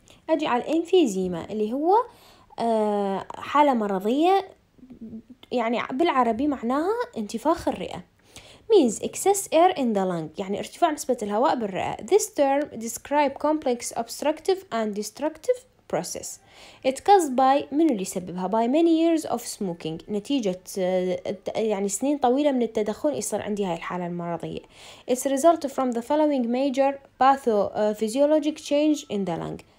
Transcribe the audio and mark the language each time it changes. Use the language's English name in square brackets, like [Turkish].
[Arabic] أجي على الإنفيزيما اللي هو حالة مرضية يعني بالعربي معناها انتفاخ الرئة [English] means excess air in the lung [Arabic] يعني ارتفاع نسبة الهواء بالرئة. [English] This term describe complex obstructive and destructive process. It caused by [Arabic] من اللي يسببها [English] by many years of smoking [Arabic] نتيجة يعني سنين طويلة من التدخن يصير عندي هاي الحالة المرضية. [English] It's result from the following major pathophysiologic change in the lung.